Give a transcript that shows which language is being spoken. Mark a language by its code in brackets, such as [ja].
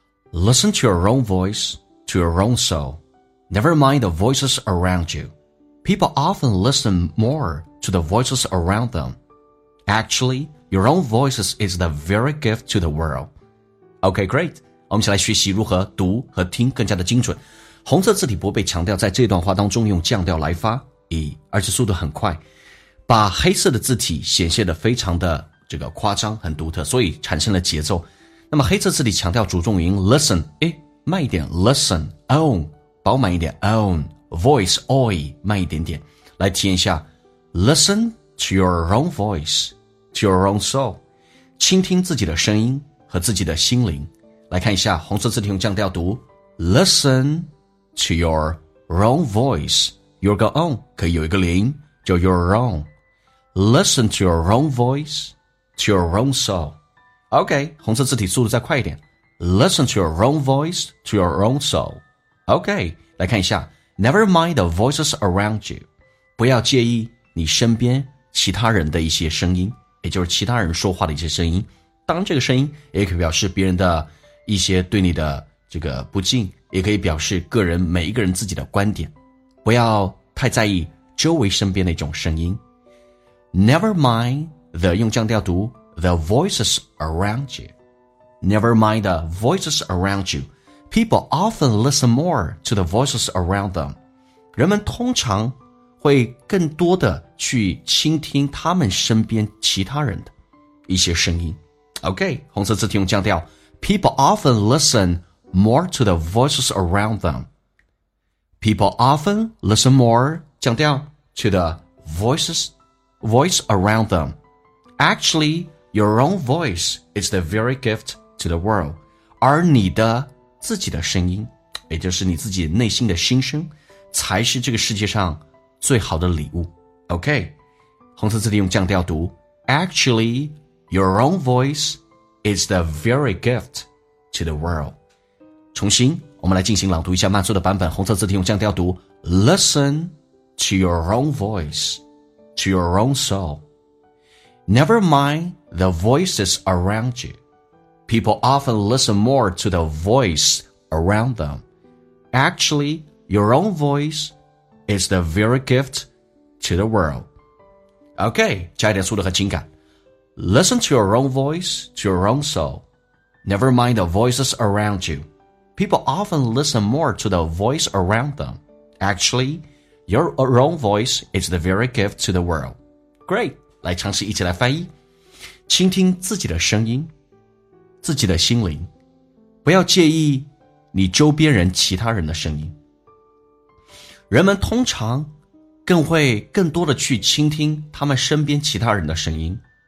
[en] Listen to your own voice, to your own soul. Never mind the voices around you. People often listen more to the voices around them. Actually, your own voice is the very gift to the world. Okay, great. [zh] 我们一起来学习如何读和听更加的精准。红色字体不被强调，在这段话当中用降调来发，而且速度很快，把黑色的字体显现得非常的这个夸张，很独特，所以产生了节奏。那么黑色字体强调主重音 listen， 慢一点 listen， own 饱满一点 own， voice oi 慢一点点，来体验一下 [en] listen to your own voice to your own soul， [zh] 倾听自己的声音和自己的心灵。来看一下红色字体用降调读 [en] Listen to your own voice. Your own [zh] 可以有一个连音，叫 your own. [en] Listen to your own voice to your own soul. OK， [zh] 红色字体速度再快一点 [en] Listen to your own voice to your own soul. OK， [zh] 来看一下 [en] Never mind the voices around you. [zh] 不要介意你身边其他人的一些声音，也就是其他人说话的一些声音。当这个声音也可以表示别人的一些对你的这个不敬，也可以表示个人每一个人自己的观点，不要太在意周围身边的一种声音。 [en] Never mind the [zh] 用降调读 [en] the voices around you. Never mind the voices around you. People often listen more to the voices around them. [zh] 人们通常会更多的去倾听他们身边其他人的一些声音。 OK， 红色字体用降调。 [en] People often listen more to the voices around them. People often listen more, [zh] 降调, [en] to the voice around them. Actually, your own voice is the very gift to the world. [zh] 而你的自己的声音，也就是你自己内心的心声，才是这个世界上最好的礼物。 [en] OK, [zh] 红色字体用降调读 [en] Actually, your own voiceIt's the very gift to the world. [zh] 重新，我们来进行朗读一下慢速的版本。红色字体用降调读 [en] Listen to your own voice, to your own soul. Never mind the voices around you. People often listen more to the voice around them. Actually, your own voice is the very gift to the world. [zh] OK, 加一点速度和情感。 [en] Listen to your own voice, to your own soul. Never mind the voices around you. People often listen more to the voice around them. Actually, your own voice is the very gift to the world. [zh] Great! 来尝试一起来翻译。倾听自己的声音，自己的心灵。不要介意你周边人其他人的声音。人们通常更会更多的去倾听他们身边其他人的声音。